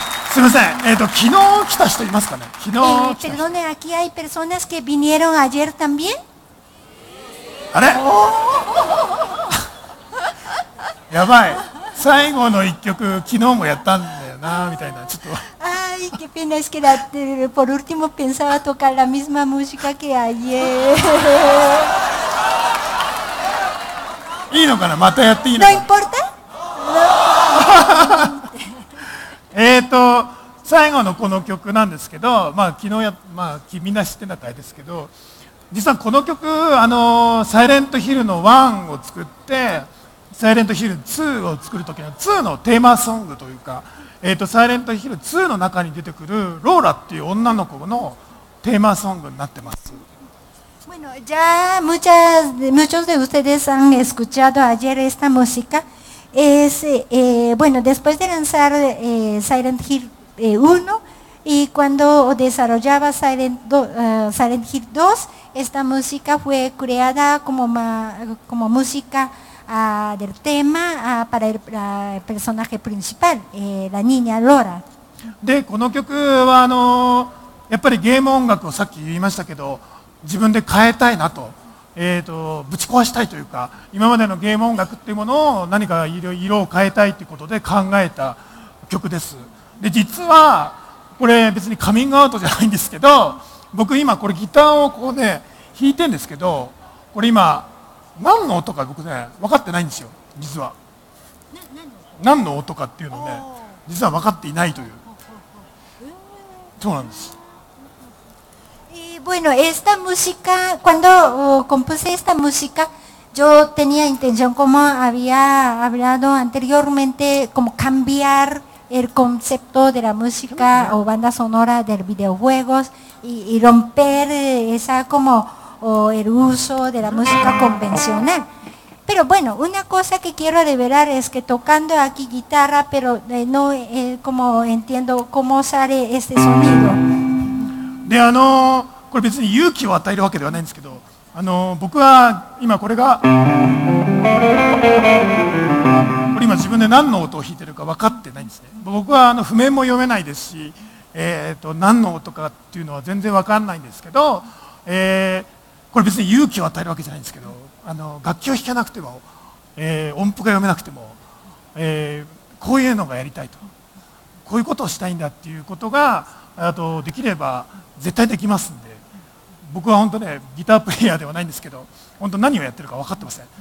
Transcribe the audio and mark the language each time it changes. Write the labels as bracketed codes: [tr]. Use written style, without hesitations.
[ja] すみません、昨日来た人いますかね。昨日来た人。 [es] Perdone, aquí hay personas que vinieron ayer también. [ja] あれ。やばい。最後の一曲昨日もやったんだよなみたいな、ちょっと。 [es] Ay, qué pena es que la por último pensaba tocar la misma música que ayer. [ja] いいのかな、またやっていいのか。 [es] No importa. No. [ja] 最後のこの曲なんですけど、まあ、昨日や、まあ、君な知ってなかいですけど、実はこの曲サイレントヒルの1を作ってサイレントヒル2を作る時の2のテーマソングというか、サイレントヒル2の中に出てくるローラっていう女の子のテーマソングになってます。 [es] Bueno, ya muchos de ustedes han escuchado ayer esta música. Es, bueno, después de lanzar Silent Hill 1 y cuando desarrollaba Silent Hill 2, esta música fue creada como música del tema para el personaje principal, la niña Laura. [ja] De, この曲はやっぱりゲーム音楽をさっき言いましたけど、自分で変えたいなと。ぶち壊したいというか、今までのゲーム音楽っていうものを何か色を変えたいということで考えた曲です。で、実はこれ別にカミングアウトじゃないんですけど、僕今これギターをここで弾いてるんですけど、これ今何の音か僕ね分かってないんですよ、実は。何の音かっていうのね、実は分かっていないという。そうなんです。 [es] Bueno, esta música, cuando compuse esta música, yo tenía intención, como había hablado anteriormente, como cambiar el concepto de la música o banda sonora de los videojuegos y romper esa como el uso de la música convencional. Pero bueno, una cosa que quiero revelar es que tocando aquí guitarra, pero no como entiendo cómo sale este sonido. [ja] De これ別に勇気を与えるわけではないんですけど、僕は今これが、これ今自分で何の音を弾いてるか分かってないんですね。僕は譜面も読めないですし、何の音かっていうのは全然わかんないんですけど、これ別に勇気を与えるわけじゃないんですけど、あの楽器を弾けなくても、音符が読めなくても、こういうのがやりたいと、こういうことをしたいんだっていうことがあとできれば絶対できますんで、僕は本当ねギタープレイヤーではないんですけど、本当何をやってるか分かってません。